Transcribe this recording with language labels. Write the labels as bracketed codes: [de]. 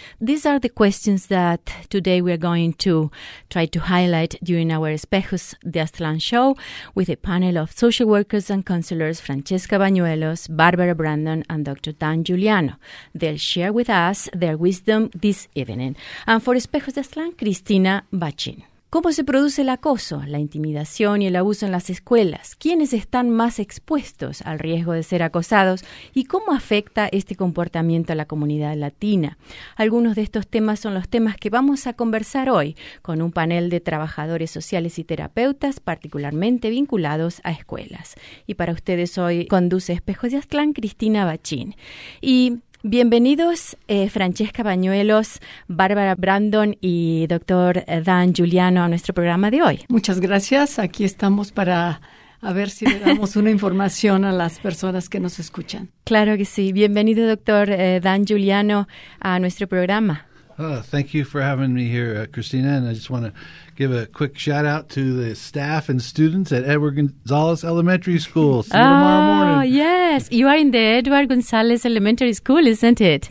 [en] These are the questions that today we are going to try to highlight during our Espejos de Aztlán show with a panel of social workers and counselors, Francesca Bañuelos, Barbara Brandon, and Dr. Dan Giuliano. They'll share with us their wisdom this evening. And for Espejos de Aztlán, Cristina Bachín. [es] ¿Cómo se produce el acoso, la intimidación y el abuso en las escuelas? ¿Quiénes están más expuestos al riesgo de ser acosados? ¿Y cómo afecta este comportamiento a la comunidad latina? Algunos de estos temas son los temas que vamos a conversar hoy con un panel de trabajadores sociales y terapeutas particularmente vinculados a escuelas. Y para ustedes hoy conduce Espejos de Aztlán, Cristina Bachín. Y bienvenidos, Francesca Bañuelos, Bárbara Brandon y Dr. Dan Giuliano a nuestro programa de hoy. Muchas gracias. Aquí estamos para a ver si le damos una información a las personas que nos escuchan. Claro que sí. Bienvenido, Dr. Dan Giuliano, a nuestro programa. [en] Thank you for having me here, Cristina, and I just want to give a quick shout out to the staff and students at Edward Gonzalez Elementary School. See you tomorrow morning. Yes, you are in the Edward Gonzalez Elementary School, isn't it?